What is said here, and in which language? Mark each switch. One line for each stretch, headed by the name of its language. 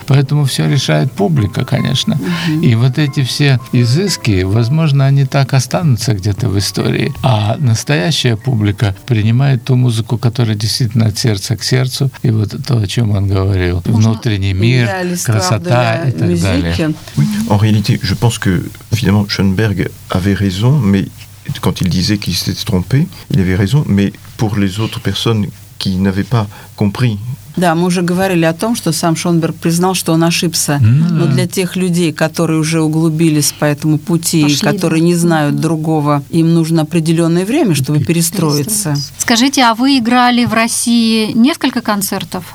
Russian: Поэтому все решает публика, конечно. И вот эти все изыски, возможно, они так останутся где-то в истории. А настоящая публика принимает ту музыку, которая действительно от сердца к сердцу. И вот то, о чем он говорил. Можно внутренний мир, красота и так музыки далее.
French: En réalité, je pense que, finalement, Schoenberg avait raison, mais quand il disait qu'il s'était trompé, il avait raison, mais pour les autres personnes qui n'avaient pas compris.
Russian: Да, мы уже говорили о том, что сам Шонберг признал, что он ошибся. Но для тех людей, которые уже углубились по этому пути, пошли, которые не знают другого, им нужно определенное время, чтобы перестроиться. Скажите, а вы играли в России несколько концертов?